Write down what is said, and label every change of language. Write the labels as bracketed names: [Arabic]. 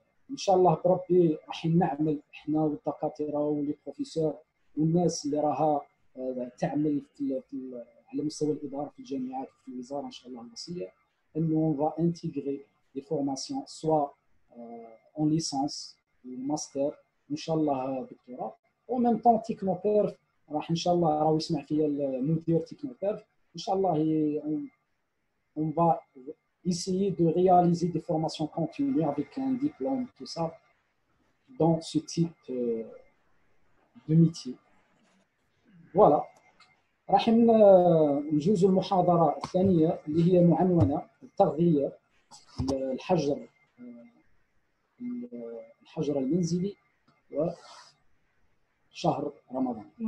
[Arabic] إن شاء الله بربي راح نعمل إحنا والدكاترة والبروفيسور والناس اللي راها تعمل على مستوى الإدارة في الجامعات وفي الوزارة إن شاء الله المصرية، إنه [French] on va intégrer des formations soit en licence ou master [Arabic] إن شاء الله دكتوراه. [French] En même temps Technopérf [Arabic] راح إن شاء الله [French] راه يسمع فيها المدير تكنوبيرف إن شاء الله on va essayer de réaliser des formations continues avec un diplôme tout ça dans ce type de métier. Voilà. [Arabic] راح نجوز المحاضرة الثانية اللي هي معنونة التغذية الحجر المنزلي و شهر رمضان.